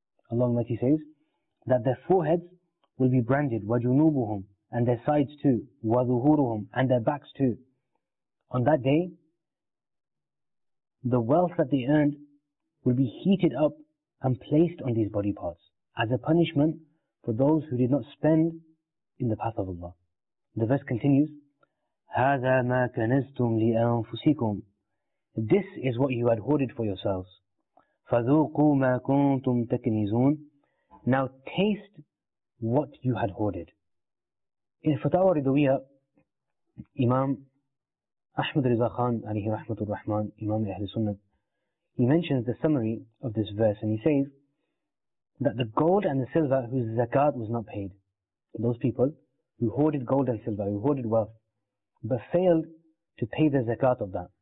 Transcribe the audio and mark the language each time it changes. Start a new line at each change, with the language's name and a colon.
English: Allah Almighty says that their foreheads will be branded, وَجُنُوبُهُمْ, and their sides too, وَظُهُورُهُمْ, and their backs too. On that day, the wealth that they earned will be heated up and placed on these body parts as a punishment for those who did not spend in the path of Allah. The verse continues,
Arabic: هَذَا مَا كَنَزْتُمْ لِأَنفُسِكُمْ.
English: This is what you had hoarded for yourselves.
Arabic: فَذُوقُوا مَا كُنْتُمْ تَكْنِزُونَ.
English: Now taste what you had hoarded. In Fatawa Ridawiya, Imam Ahmad Riza Khan, alayhi rahmatul rahman, Imam Ahl Sunnah, he mentions the summary of this verse and he says that the gold and the silver whose zakat was not paid, those people who hoarded gold and silver, who hoarded wealth, but failed to pay the zakat of that.